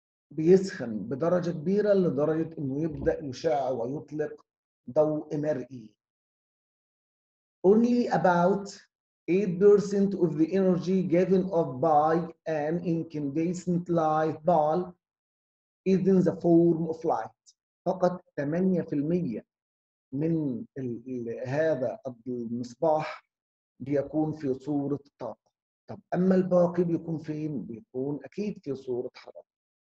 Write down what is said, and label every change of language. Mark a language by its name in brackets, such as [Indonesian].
[Arabic] بيسخن بدرجة كبيرة لدرجة انه يبدأ يشع ويطلق ضوء مرئي. [English] Only about 8% of the energy given off by an incandescent light bulb is in the form of light. [Arabic] فقط 8% من هذا المصباح بيكون في صورة طاقة. طب أما الباقي بيكون فين؟ بيكون أكيد في صورة حرارة.